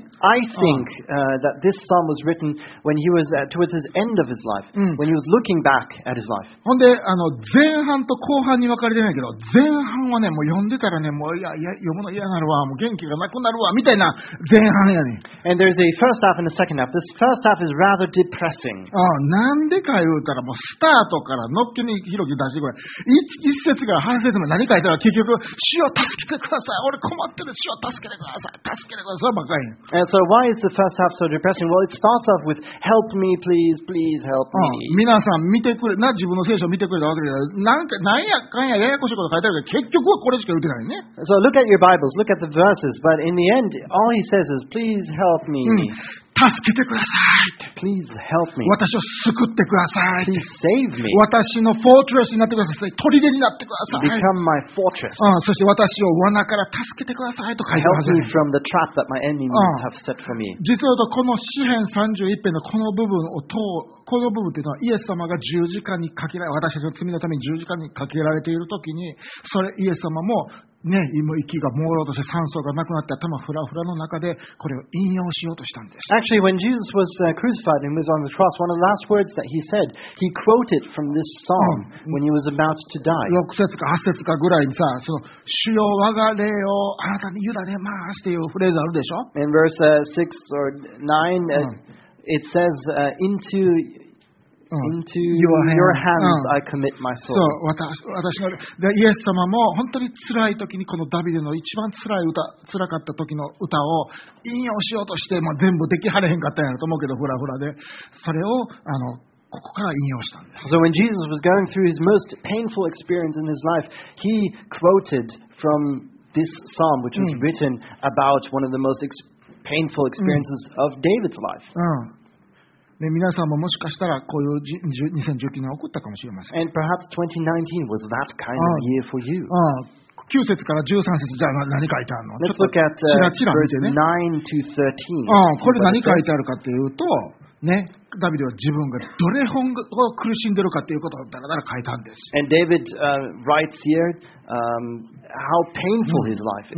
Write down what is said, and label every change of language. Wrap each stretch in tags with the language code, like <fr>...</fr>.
<en>And I think that this psalm was written when he was towards his end of his life, when he was looking back at his life.</en> <ja>ほんで前半と後半に分かれてないけど、前半はねもう読んでたらねもういやいや読むの嫌なるわ、もう元気がなくなるわみたいな前半やね。</ja> <en>And there's a first half and a second half. This first half is rather depressing.</en> <ja>なんで。言うたらもうスタートからのっけに広げ出してくれ 一節から半節まで何書いたら結局主を助けてください俺困ってる主を助けてください助けてくださいばっかり。</ja> <en>And so why is the first half so depressing? Well, it starts off with help me please please help me.</en> <ja>皆さん見てくれな自分の聖書を見てくれたわけだなんか何やかんやややこしいこと書いてあるけど結局はこれしか言ってないね。</ja> <en>So look at your Bibles, look at the verses, but in the end all he says is please help me.</en> <ja>助けてください。</ja> <en>Please help me.</en> <ja>私を救ってください。</ja> <en>Please save me.</en> <ja>私のフォートレスになってください。砦になってください。</ja> <en>Become my fortress.</en> <ja>そして私を罠から助けてくださいと書いてます。</ja> <en>Help me from the trap that my enemies have set for me.</en> <ja>実はこの詩編31編のこの部分を通この部分というのはイエス様が十字架にかけられ、私たちの罪のために十字架にかけられているときに、それイエス様もね、息が朦朧として酸素がなくなって頭フラフラの中でこれを引用しようとしたんです。</ja> <en>Actually, when Jesus was crucified and was on the cross, one of the last words that he said, he quoted from this psalm when he was about to die.</en> <ja>6節か8節かぐらいにさ、その主よ我が霊をあなたに委ねますっていうフレーズあるでしょ。</ja> <en>In verse 6 or 9, it says, into your hands I commit my soul.</en> <ja>そう、私のイエス様も本当に辛い時にこのダビデの一番辛い歌、辛かった時の歌を引用しようとして、まあ、全部できはれへんかったんやと思うけど、フラフラで。それをここから引用したんです。</ja> <en>So when Jesus was going through his most painful experience in his life, he quoted from this psalm, which was written about one of the most painful experiences of David's life.</en> <ja>ね、皆さんももしかしたらこういう2019年が起こったかもしれません。</ja> <en>And perhaps 2019 was that kind of year for you.</en> <ja>9節から13節、じゃあ何書いてあるの</ja> <en>?Let's look at</en> <ja>チラチラ、</ja> <en>verse 9 to 13.</en> <ja>これ何書いてあるかっていうと、ね、ダビデは自分がどれほど苦しんでるかっていうことをだらだら書いたんです。</ja> <en>And David, writes here, how painful his life is.</en>